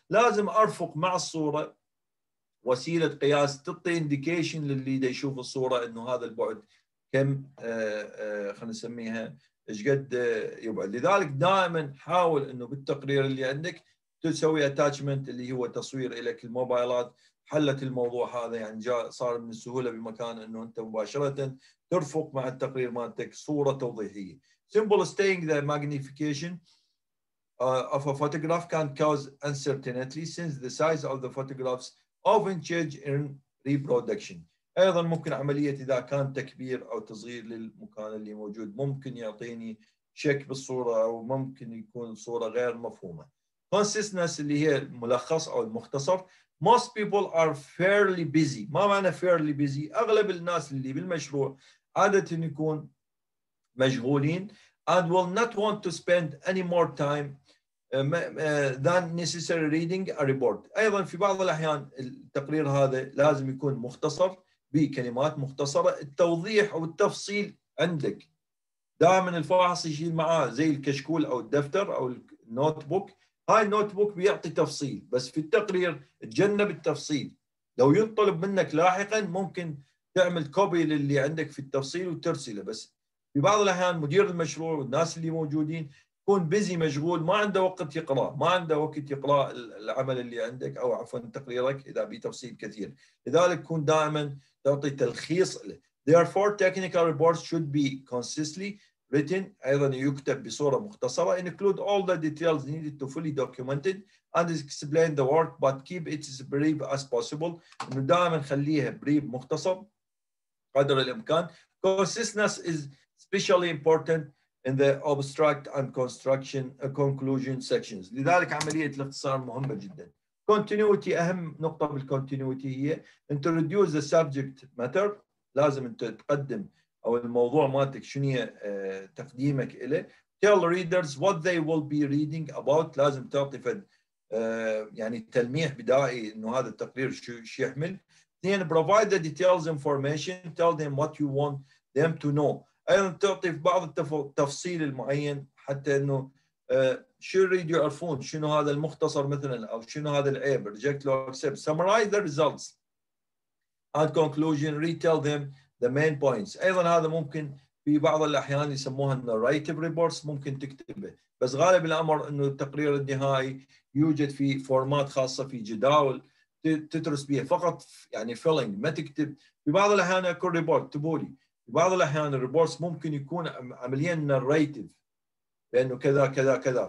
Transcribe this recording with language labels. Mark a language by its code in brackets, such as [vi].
[ar] لازم أرفق مع الصورة وسيلة قياس تعطي إنديكيشن للي دا يشوف الصورة إنه هذا البعد كم خلنا نسميها إيش قد يبعد. لذلك دائما حاول إنه بالتقرير اللي عندك تسوي اتاتشمنت اللي هو تصوير إليك الموبايلات. حلت الموضوع هذا يعني جاء صار من السهولة بمكان إنه أنت مباشرة ترفق مع التقرير مالتك صورة توضيحية. [en] Simple staying the magnification of a photograph can cause uncertainty since the size of the photographs often change in reproduction. [ar] أيضا ممكن عملية إذا كان تكبير أو تصغير للمكان اللي موجود ممكن يعطيني شك بالصورة أو ممكن يكون صورة غير مفهومة. Consistency اللي هي الملخص أو المختصر. [en] Most people are fairly busy. ما معنى fairly busy؟ أغلب الناس اللي بالمشروع عادة يكون مشغولين and will not want to spend any more time than necessary reading a report. [ar] أيضا في بعض الأحيان التقرير هذا لازم يكون مختصر بكلمات مختصرة. التوضيح أو التفصيل عندك دائما الفاحص يشيل معاه زي الكشكول أو الدفتر أو النوتبوك. هاي النوتبوك بيعطي تفصيل بس في التقرير تجنب التفصيل. لو ينطلب منك لاحقا ممكن تعمل كوبي للي عندك في التفصيل وترسله. بس في بعض الأحيان مدير المشروع والناس اللي موجودين يكون بيزي مشغول ما عنده وقت يقرأ، ما عنده وقت يقرأ العمل اللي عندك أو عفوا تقريرك إذا بي تفصيل كثير. لذلك كون دائما تعطي تلخيص. [en] Therefore technical reports should be consistently written. [ar] أيضا يكتب بصورة مختصرة. [en] Include all the details needed to fully document it and explain the work but keep it as brief as possible. [ar] إنه دائما خليها بريف مختصر قدر الإمكان. [en] Consistency is especially important in the abstract and construction conclusion sections. [ar] لذلك عملية الاختصار مهمة جدا. [en] Continuity أهم نقطة بالcontinuity هي introduce the subject matter. [ar] لازم أنت تقدم أو الموضوع مالتك شنو هي تقديمك إلي. [en] Tell readers what they will be reading about. [ar] لازم تعطي فد يعني تلميح بدائي إنه هذا التقرير شو يحمل. [en] Then provide the details information. Tell them what you want them to know. [ar] أيضا تعطي بعض التفصيل المعين حتى إنه شو يريد يعرفون شنو هذا المختصر مثلا أو شنو هذا العيب. [en] Reject or accept. Summarize the results and conclusion. Retell them the main points. [ar] أيضا هذا ممكن في بعض الأحيان يسموها narrative reports ممكن تكتبه. بس غالب الأمر إنه التقرير النهائي يوجد في فورمات خاصة في جداول تترس بيها فقط يعني filling ما تكتب. في بعض الأحيان أكون report تبولي. بعض الأحيان الريبورتس ممكن يكون عملياً ناريتيف بأنه كذا كذا كذا.